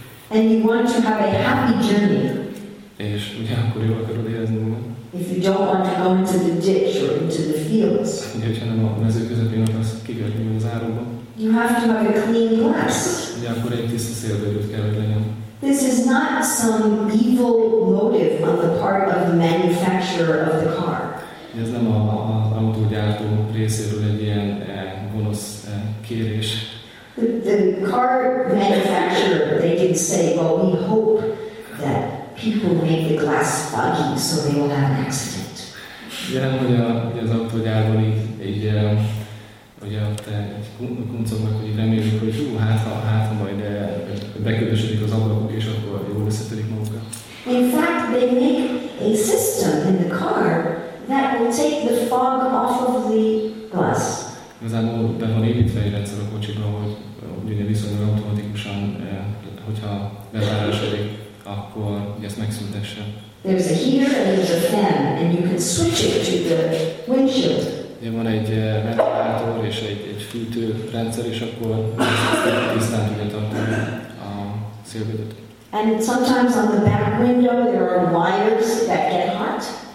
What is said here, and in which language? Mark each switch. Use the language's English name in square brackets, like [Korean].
[English] And you want to have a happy journey. [Hungarian] És ugye akkor jól akarod érezni magad. [English] If you don't want to go into the ditch or into the fields. [Hungarian] Ugye, hogyha nem a mező közepén akarsz kikötni a záróba. [English] You have to have a clean glass. [Hungarian] Ugye akkor egy tiszta szélvédőt kell, hogy legyen. [English] This is not some evil motive on the part of the manufacturer of the car. [Hungarian] Ez nem az autógyártó részéről egy ilyen gonosz kérés. [English] The car manufacturer, they can say, well, we hope that people make the glass foggy so they will have an accident. [Hungarian] Igen, hogy az autógyártó így ugye ott egy kuncognak, hogy reméljük, hogy jó, hát ha majd beködösödik az ablakok, és akkor jól összetörik magukat. [English] In fact, they make a system in the car that will take the fog off of the glass. [Hungarian] Igazából be van építve egy rendszer a kocsiban, hogy ugye viszonylag automatikusan, hogyha bezárásodik, akkor ezt megszüntesse. [English] There's a heater and there's a fan, and you can switch it to the windshield. [Hungarian] Ugye van egy ventilátor és egy fűtőrendszer, és akkor tisztán tudja tartani a szélvédőt. [English] And sometimes on the back window there are wires that get hot.